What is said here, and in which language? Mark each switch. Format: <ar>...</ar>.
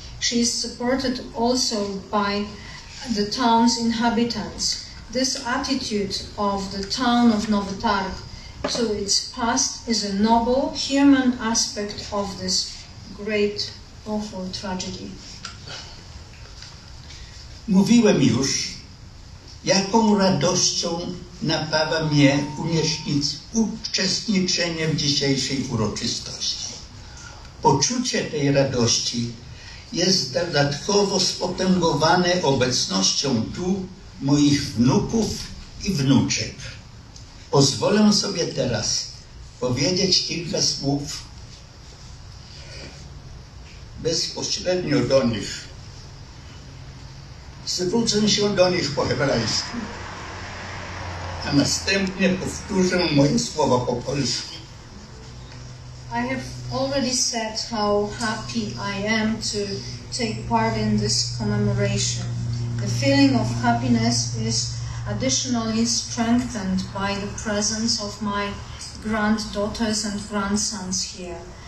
<en>She is supported also by the town's inhabitants. This attitude of the town of Nowy Targ to its past is a noble human aspect of this great, awful tragedy.</en> <pl>Mówiłem już, jaką radością napawa mnie uczestniczenie w dzisiejszej uroczystości. Poczucie tej radości jest dodatkowo spotęgowane obecnością tu moich wnuków i wnuczek. Pozwolę sobie teraz powiedzieć kilka słów bezpośrednio do nich. Zwrócę się do nich po hebrajsku, a następnie powtórzę moje słowa po polsku.</pl> <en>I have already said how happy I am to take part in this commemoration. The feeling of happiness is additionally strengthened by the presence of my granddaughters and grandsons here.</en>